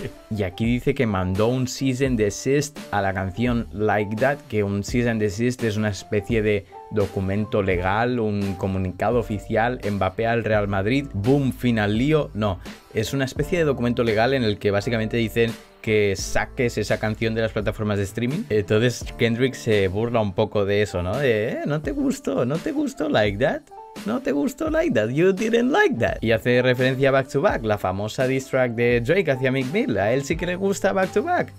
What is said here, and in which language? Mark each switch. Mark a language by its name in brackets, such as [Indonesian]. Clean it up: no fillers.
[Spanish] Y aquí dice que mandó un cease and desist a la canción Like That, que un cease and desist es una especie de documento legal, un comunicado oficial, Mbappé al Real Madrid, boom, final lío. No, es una especie de documento legal en el que básicamente dicen que saques esa canción de las plataformas de streaming. Entonces Kendrick se burla un poco de eso, ¿no? ¿No te gustó? ¿No te gustó Like That? No te gustó [English] like that, you didn't like that. [Spanish] Y hace referencia a Back to Back, la famosa diss track de Drake hacia Meek Mill. A él sí que le gusta Back to Back.